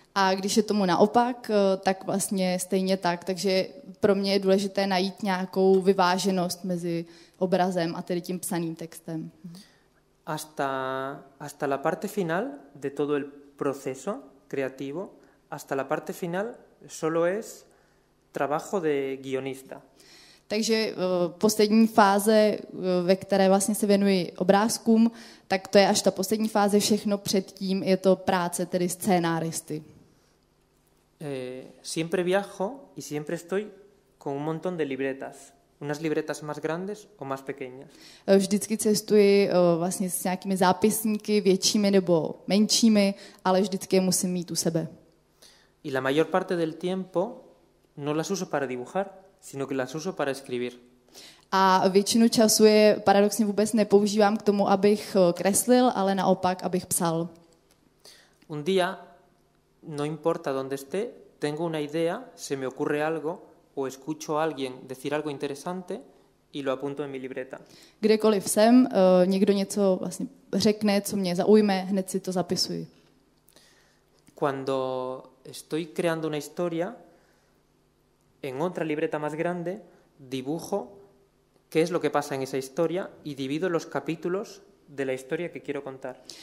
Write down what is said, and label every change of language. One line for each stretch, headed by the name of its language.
Czech: A když je tomu naopak, tak vlastně stejně tak, takže pro mě je důležité najít nějakou vyváženost mezi obrazem a tedy tím psaným textem.
Spanish: Hasta la parte final de todo el proceso creativo, hasta la parte final solo es trabajo de guionista.
Czech: Takže poslední fáze, ve které vlastně se věnuji obrázkům, tak to je až ta poslední fáze, všechno předtím je to práce tedy scénáristy.
Spanish: Siempre viajo y siempre estoy con un montón de libretas. Unas libretas más grandes o más pequeñas.
Czech: Vždycky cestuji vlastně s nějakými zápisníky, většími nebo menšími, ale vždycky je musím mít u sebe.
Spanish: Y la mayor parte del tiempo no las uso para dibujar, sino que las uso para escribir.
Czech: A většinu času je paradoxně vůbec nepoužívám k tomu, abych kreslil, ale naopak, abych psal.
Spanish: Un día, no importa dónde esté, tengo una idea, se me ocurre algo, o escucho a alguien decir algo interesante y lo apunto en mi libreta.
Czech: Kdekoliv jsem, někdo něco vlastně řekne, co mě zaujme, hned si to zapisuji.
Spanish: Cuando estoy creando una historia, en otra libreta más grande, dibujo qué es lo que pasa en esa historia y divido los capítulos de la historia que quiero contar.